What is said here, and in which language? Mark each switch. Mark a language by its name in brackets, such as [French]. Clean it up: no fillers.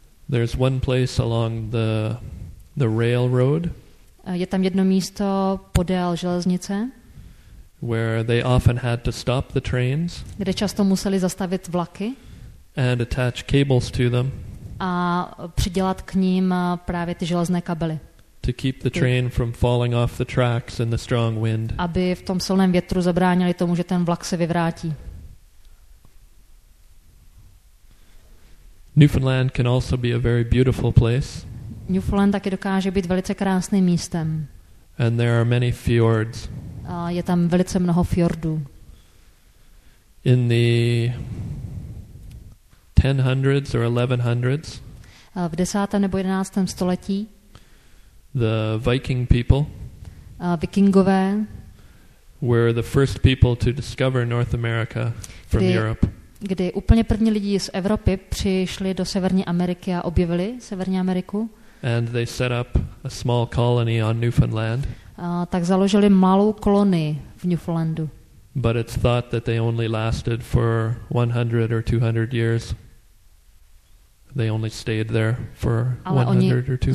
[English] There's one place along the railroad. [Czech] Je tam jedno místo podél železnice. [English] Where they often had to stop the trains. [Czech] Kde často museli zastavit vlaky. [English] And attach cables to them. [Czech] A přidělat k ním právě ty železné kabely. [English] To keep the train from falling off the tracks in the strong wind. [Czech] Aby v tom silném větru zabránili tomu, že ten vlak se vyvrátí. [English] Newfoundland can also be a very beautiful place. [Czech] Newfoundland taky dokáže být velice krásným místem. [English] And there are many fjords. [Czech] A je tam velice mnoho fjordů. [English] In the 1000s or 1100s. [Czech] V 10. nebo 11. století. [English] The Viking people. [Czech] Vikingové. [English] Were the first people to discover North America from Europe. [Czech] Kdy úplně první lidi z Evropy přišli do Severní Ameriky a objevili Severní Ameriku. [English] And they set up a small colony on Newfoundland. [Czech] Tak založili malou kolonii v Newfoundlandu. [English] But it's thought that they only lasted for 100 or 200 years. They only stayed there for 100 or 200.